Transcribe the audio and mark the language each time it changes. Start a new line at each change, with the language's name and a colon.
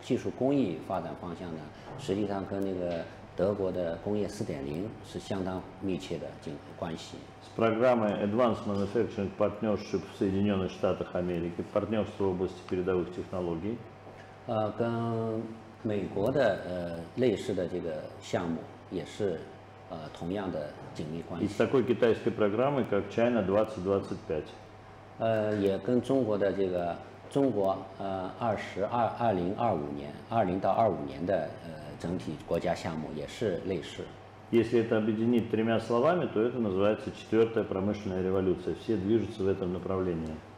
Chinese: 我们这个高技术倡议这个项目里头的我们负责的技术工艺发展方向呢，实际上跟那个 德国的工业 4.0 是相当密切的关系。
Russian: С программой Advanced Manufacturing Partnership в Соединенных Штатах Америки, партнерство в области передовых технологий.
Chinese: 跟美国的类似的这个项目也是同样的紧密关系。
Russian: И с такой китайской программой, как China 2025.
Chinese: 也跟中国的这个中国2025年的。整体国家项目也是类似。
Russian: Если это объединить тремя словами, то это называется четвертая промышленная революция. Все движутся в этом направлении.